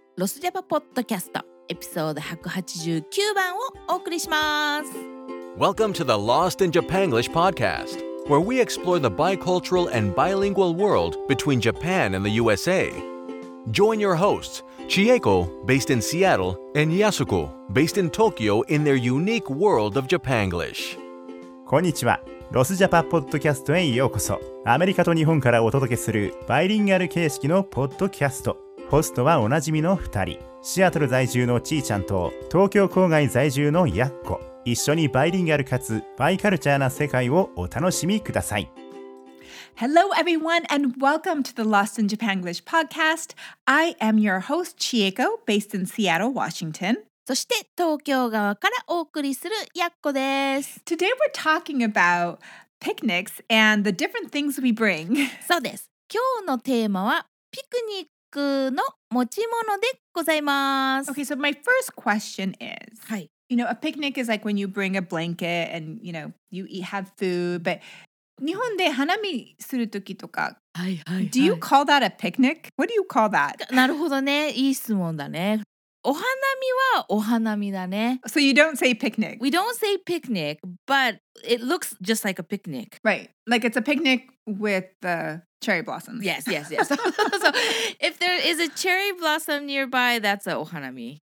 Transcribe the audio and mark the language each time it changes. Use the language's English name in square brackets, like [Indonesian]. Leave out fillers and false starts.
[Japanese] ロスジャパポッドキャスト、エピソード189番をお送りします。 [English] Welcome to the Lost in Japan English podcast, where we explore the bicultural and bilingual world between Japan and the USA. Join your hosts, Chieko, based in Seattle, and Yasuko, based in Tokyo, in their unique world of Japanglish. [Japanese] こんにちは。ロスジャパポッドキャストへようこそ。アメリカと日本からお届けするバイリンガル形式のポッドキャスト。ホストはおなじみの2人、シアトル在住のちーちゃんと東京郊外在住のやっこ。一緒にバイリンガルかつバイカルチャーな世界をお楽しみください。 [English] Hello everyone and welcome to the Lost in Japan English podcast. I am your host Chieko, based in Seattle, Washington. [Japanese] そして東京側からお送りするやっこです。 [English] Today we're talking about picnics and the different things we bring. [Japanese] そうです。今日のテーマはピクニックの持ち物でございます。 [English] Okay, so my first question is、 [Japanese] はい、 [English] you know, a picnic is like when you bring a blanket and you know, you eat, have food, but [Japanese] 日本で花見するときとか、はいはいはい、 [English] do you call that a picnic? What do you call that? [Japanese] なるほどね、いい質問だね。お花見はお花見だね。 [English] So you don't say picnic? We don't say picnic, but it looks just like a picnic. Right, like it's a picnic with the cherry blossoms. Yes, yes, yes. So if there is a cherry blossom nearby, that's a お花見.